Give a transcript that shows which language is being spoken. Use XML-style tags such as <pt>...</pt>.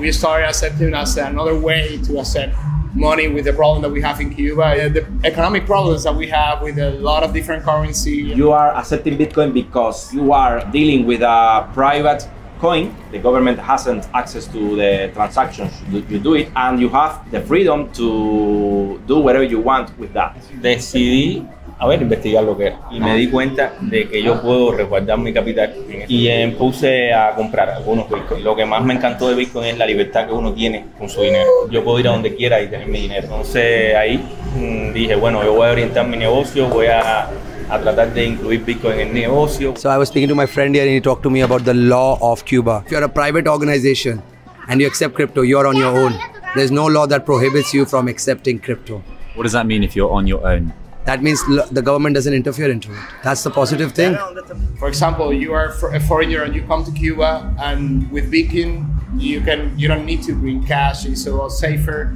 <en>We started accepting as another way to accept money with the problem that we have in Cuba, the economic problems that we have with a lot of different currency. You are accepting Bitcoin because you are dealing with a private coin, the government hasn't access to the transactions, you do it, and you have the freedom to do whatever you want with that.</en> <es>Decidí, a ver, investigar lo que era, y me di cuenta de que yo puedo resguardar mi capital, y puse a comprar algunos Bitcoin. Lo que más me encantó de Bitcoin es la libertad que uno tiene con su dinero. Yo puedo ir a donde quiera y tener mi dinero. Entonces ahí dije, bueno, yo voy a orientar mi negocio, voy a tratar de incluir Bitcoin en negocio.</es> <en>So I was speaking to my friend here and he talked to me about the law of Cuba. If you're a private organization and you accept crypto, you're on your own. There's no law that prohibits you from accepting crypto. What does that mean if you're on your own? That means the government doesn't interfere into it. That's the positive thing. For example, you are a foreigner and you come to Cuba and with Bitcoin, you don't need to bring cash, it's a lot safer.</en>